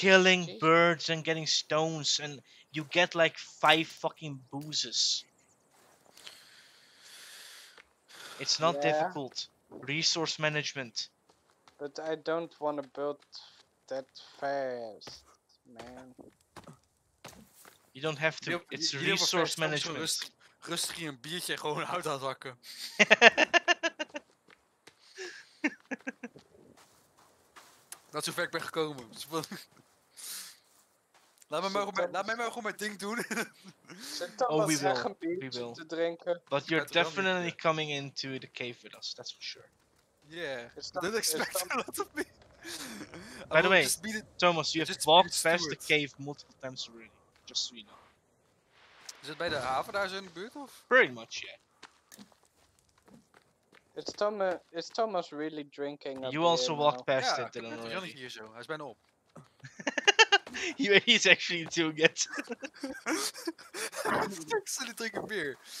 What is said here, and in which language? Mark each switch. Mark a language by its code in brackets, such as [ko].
[en] Killing birds and getting stones, and you get like 5 fucking boozes. It's not difficult. Resource management. But I don't want to build that fast, man. You don't have to. It's resource management. [nl] Rustig een biertje en gewoon hout aan zakken. Dat is hoe ver ik ben gekomen. Laat mij maar gewoon mijn ding doen. [en] Oh, we will. [nl] Te drinken. [en] But you're definitely coming into the cave with us, that's for sure. Yeah, didn't expect a lot of me. By the way, Thomas, you have walked past the cave multiple times already. Just so you know. [nl] Is het bij de haven daar zo in de buurt of? [en] Pretty much, yeah. Is Thomas really drinking? You also walked past it, didn't you? [nl] Ja, Johnny hier zo. Hij is bijna op. [en] He's actually doing it. He's actually drinking beer.